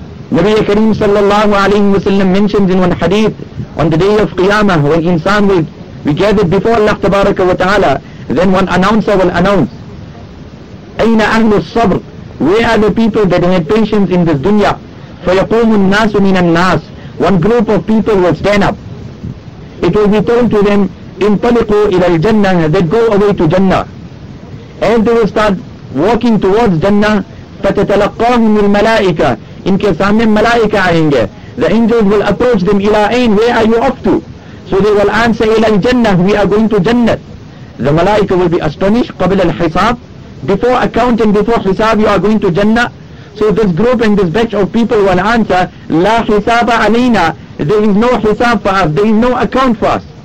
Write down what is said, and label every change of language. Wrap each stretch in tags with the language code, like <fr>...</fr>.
<en>Nabi Kareem sallallahu alayhi wa sallam mentions in one hadith, on the day of Qiyamah, when insan will be gathered before Allah tabaraka wa ta'ala, then one announcer will announce,</en> <ar>أَيْنَ أَهْلُ الصَّبْرِ,</ar> <en>where are the people that had patience in this dunya?</en> <ar>فَيَقُومُ النَّاسُ مِنَ النَّاسِ,</ar> <en>one group of people will stand up. It will be told to them,</en> <ar>انطلقوا إلى الجنة,</ar> <en>they go away to Jannah. And they will start walking towards Jannah.</en> <ar>فتتلقاهم الملائكة,</ar> <ur>ان کے سامنے ملائكة آئیں گے.</ur> <en>The angels will approach them,</en> <ar>إلى أين,</ar> <en>where are you off to? So they will answer,</en> <ar>إلى الجنة,</ar> <en>we are going to Jannah. The ملائكة will be astonished,</en> <ar>قبل الحساب,</ar> <en>before account and before حساب you are going to Jannah. So this group and this batch of people will answer,</en> <ar>لا حساب علينا,</ar> <en>there is no حساب for us, there is no account for us.</en>